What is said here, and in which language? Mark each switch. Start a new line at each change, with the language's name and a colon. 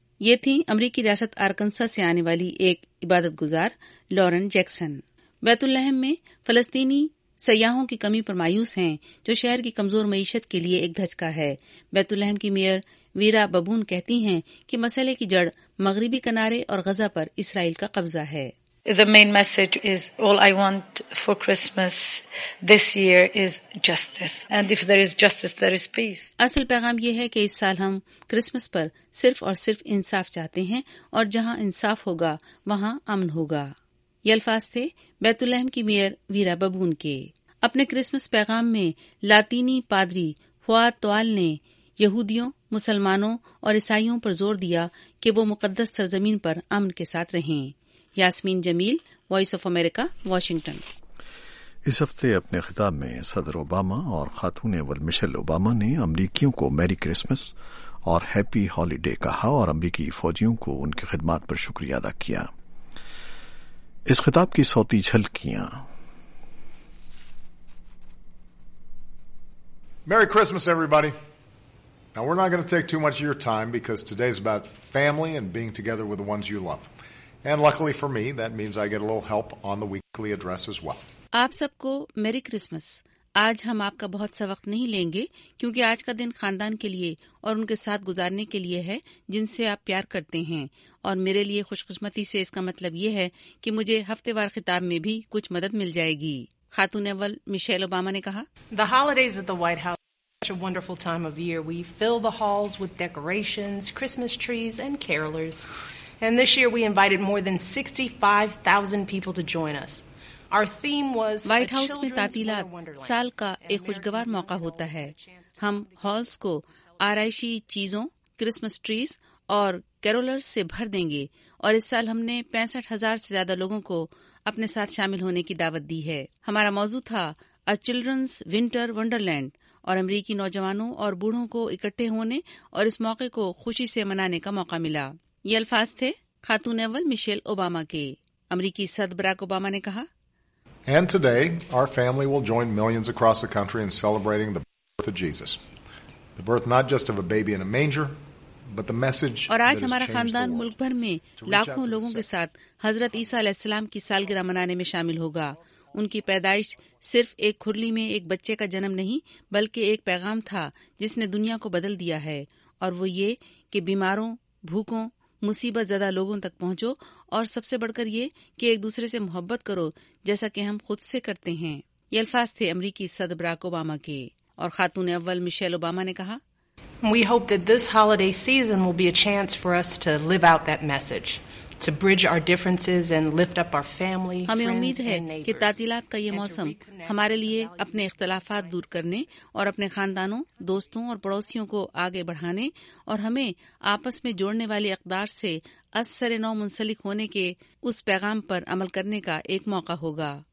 Urdu: یہ تھیں امریکی ریاست آرکنسا سے آنے والی ایک عبادت گزار لورن جیکسن. بیت الحم میں فلسطینی سیاحوں کی کمی پر مایوس ہیں جو شہر کی کمزور معیشت کے لیے ایک دھچکا ہے. بیت لحم کی میئر ویرا ببون کہتی ہیں کہ مسئلے کی جڑ مغربی کنارے اور غزہ پر اسرائیل کا قبضہ ہے.
English: The main message is all I want for Christmas this year is justice. And if there is justice, there is peace.
Urdu: اصل پیغام یہ ہے کہ اس سال ہم کرسمس پر صرف اور صرف انصاف چاہتے ہیں اور جہاں انصاف ہوگا وہاں امن ہوگا. یہ الفاظ تھے بیت لحم کی میئر ویرا ببون کے. اپنے کرسمس پیغام میں لاطینی پادری فواد توال نے یہودیوں مسلمانوں اور عیسائیوں پر زور دیا کہ وہ مقدس سرزمین پر امن کے ساتھ رہیں. یاسمین جمیل، وائس آف امریکہ، واشنگٹن. اس ہفتے اپنے خطاب میں صدر اوباما اور خاتون اول مشیل اوباما نے امریکیوں کو میری کرسمس اور ہیپی ہالیڈے کہا اور امریکی فوجیوں کو ان کی خدمات پر شکریہ ادا کیا. اس خطاب کی صوتی جھلکیاں.
English: Merry Christmas everybody. Now we are not going to take too much your time because today is about family and being together with the ones you love. And luckily for me, that means I get a little help on the weekly address as well.
Urdu: آپ سب کو میری Christmas. آج ہم آپ کا بہت سا وقت نہیں لیں گے کیونکہ آج کا دن خاندان کے لیے اور ان کے ساتھ گزارنے کے لیے ہے جن سے آپ پیار کرتے ہیں. اور میرے لیے خوش قسمتی سے اس کا مطلب یہ ہے کہ مجھے ہفتے وار خطاب میں بھی کچھ مدد مل جائے گی. خاتون اول مشیل اوباما نے کہا,
English: The holidays at the White House are such a wonderful time of year. We fill the halls with decorations, Christmas trees and carolers. And this year we invited more than 65,000 people to join us. Our theme was
Urdu: White House میں تعطیلات سال کا ایک خوشگوار موقع ہوتا ہے. ہم ہالز کو آرائشی چیزوں کرسمس ٹریز اور کیرولرز سے بھر دیں گے اور اس سال ہم نے 65,000 سے زیادہ لوگوں کو اپنے ساتھ شامل ہونے کی دعوت دی ہے. ہمارا موضوع تھا چلڈرنز ونٹر ونڈرلینڈ اور امریکی نوجوانوں اور بوڑھوں کو اکٹھے ہونے اور اس موقع کو خوشی سے منانے کا موقع ملا. یہ الفاظ تھے خاتون اول مشیل اوباما کے. امریکی صدر براک اوباما نے کہا,
English: And today our family will join millions across the country in celebrating the birth of Jesus. The birth not just of a baby in a manger, but the message that has changed the world.
Urdu: اور آج ہمارا خاندان ملک بھر میں لاکھوں لوگوں کے ساتھ حضرت عیسیٰ علیہ السلام کی سالگرہ منانے میں شامل ہوگا. ان کی پیدائش صرف ایک کھرلی میں ایک بچے کا جنم نہیں بلکہ ایک پیغام تھا جس نے دنیا کو بدل دیا ہے, اور وہ یہ کہ بیماروں بھوکوں مصیبت زدہ لوگوں تک پہنچو اور سب سے بڑھ کر یہ کہ ایک دوسرے سے محبت کرو جیسا کہ ہم خود سے کرتے ہیں. یہ الفاظ تھے امریکی صدر براک اوباما کے. اور خاتون اول مشیل اوباما نے کہا,
English: We hope that this holiday season will be a chance for us to live out that message, to bridge our differences and lift up our family, friends and neighbors.
Urdu: ہمیں امید ہے کہ تعطیلات کا یہ موسم ہمارے لیے اپنے اختلافات دور کرنے اور اپنے خاندانوں دوستوں اور پڑوسیوں کو آگے بڑھانے اور ہمیں آپس میں جوڑنے والی اقدار سے اثر نو منسلک ہونے کے اس پیغام پر عمل کرنے کا ایک موقع ہوگا.